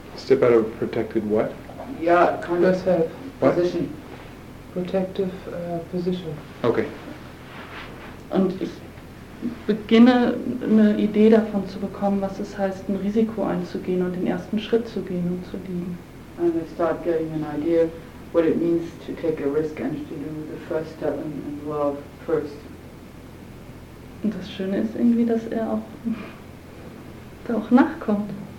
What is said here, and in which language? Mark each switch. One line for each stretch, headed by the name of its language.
English: Step out of protected what? Yeah, kind of self position. Protective position. Okay.
German: Und ich beginne, eine Idee davon zu bekommen, was es heißt, ein Risiko einzugehen und den ersten Schritt zu gehen und zu lieben.
English: And I start getting an idea what it means to take a risk and to do the first step in love first.
German: Und das Schöne ist irgendwie, dass er auch da auch nachkommt.